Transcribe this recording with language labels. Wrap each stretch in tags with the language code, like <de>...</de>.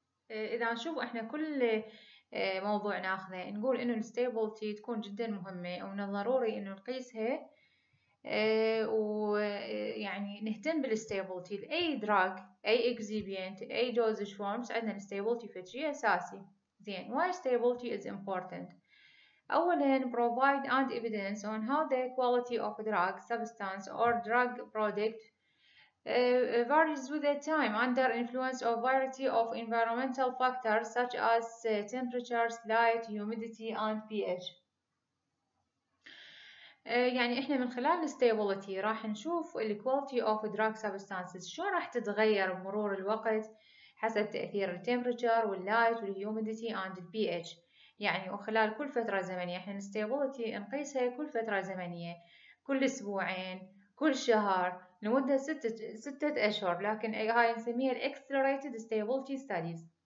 <ar>إذا نشوف إحنا كل موضوع نأخذه نقول إنه stability تكون جدا مهمة ومن الضروري إنه نقيسها ويعني نهتم بال stability. أي drug، أي excipient، أي dosage forms عندنا stability في شيء أساسي.</ar> <en>Then why stability is important. أولاً provide and evidence on how the quality of a drug substance or drug product varies with the time under influence of variety of environmental factors such as temperatures, light, humidity and pH.</en> <ar>يعني احنا من خلال الستابلتي راح نشوف</ar> <en>الكواليتي of drug substances</en> <ar>شو راح تتغير بمرور الوقت حسب تأثير التمبرتشر واللايت والهيوميديتي اند البي اتش. يعني وخلال كل فترة زمنية احنا الستابلتي نقيسها كل فترة زمنية، كل اسبوعين، كل شهر، لمدة ستة أشهر، لكن هاي نسميها Accelerated Stability Studies.</ar>